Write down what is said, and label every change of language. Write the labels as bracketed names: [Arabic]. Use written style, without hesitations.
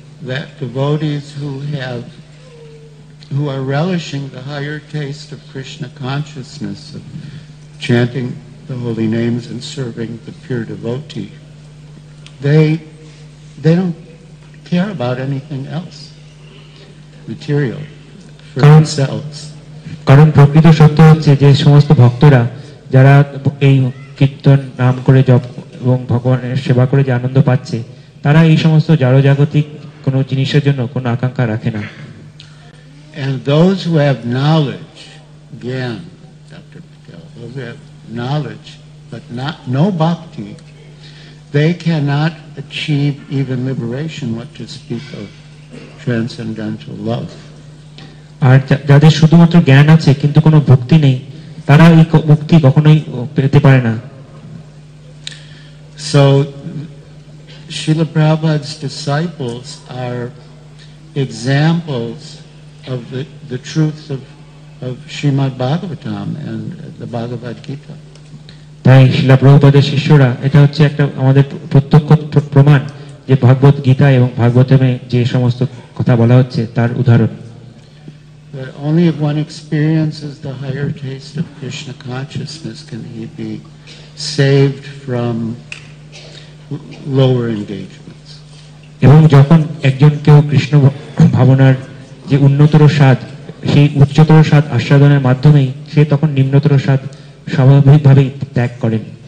[English] That devotees who have who are relishing the higher taste of Krishna consciousness, of chanting the holy names and serving the pure devotee, they don't care about anything else, material, for themselves. [Bangla] কারণ প্রকৃত সত্য হচ্ছে যে সমস্ত ভক্তরা যারা এই কীর্তন নাম করে জপ এবং ভগবানের সেবা করে যে আনন্দ পাচ্ছে তারা এই সমস্ত জড়জাগতিক কোনো জিনিসের জন্য কোনো আকাঙ্ক্ষা রাখে না [English] And those who have knowledge, again, Dr. Patel, those who have knowledge, but not, no bhakti, they cannot achieve even liberation, what to speak of transcendental love. [Bangla] আর যাদের শুধুমাত্র জ্ঞান আছে কিন্তু কোনো ভক্তি নেই তারা এই মুক্তি কখনোই পেতে পারে না [English] So Srila Prabhupada's disciples are examples of the truths of Srimad Bhagavatam and the Bhagavad Gita [Bangla] তাই Srila Prabhupada's শিষ্যরা এটা হচ্ছে একটা আমাদের প্রত্যক্ষ প্রমাণ যে ভগবত গীতা এবং ভাগবতমে যে সমস্ত কথা বলা হচ্ছে তার উদাহরণ [English] That only if one experiences the higher taste of Krishna consciousness can he be saved from lower engagements. [Bangla] এবং যখন একজন কেউ কৃষ্ণ ভাবনার যে উন্নতর স্বাদ সেই উচ্চতর স্বাদ আস্বাদনের মাধ্যমেই সে তখন নিম্নতর স্বাদ স্বাভাবিকভাবেই ত্যাগ করেন